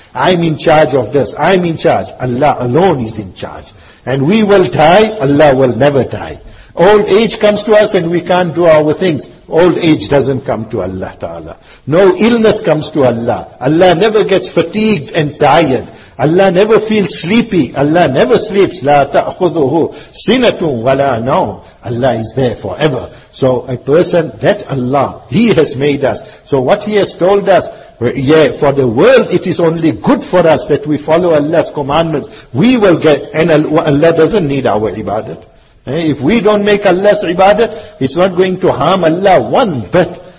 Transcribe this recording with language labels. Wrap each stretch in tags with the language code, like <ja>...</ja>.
<en>I'm in charge of this. I'm in charge. Allah alone is in charge. And we will die. Allah will never die. Old age comes to us and we can't do our things. Old age doesn't come to Allah Ta'ala. No illness comes to Allah. Allah never gets fatigued and tired. Allah never feels sleepy. Allah never sleeps.</en> <ar>لَا تَأْخُذُهُ سِنَةٌ وَلَا نَوْمٌ</ar> <en>Allah is there forever. So a person, that Allah, He has made us. So what He has told us, yeah, for the world it is only good for us that we follow Allah's commandments. We will get, and Allah doesn't need our ibadat. If we don't make Allah's ibadah, it's not going to harm Allah one bit.</en>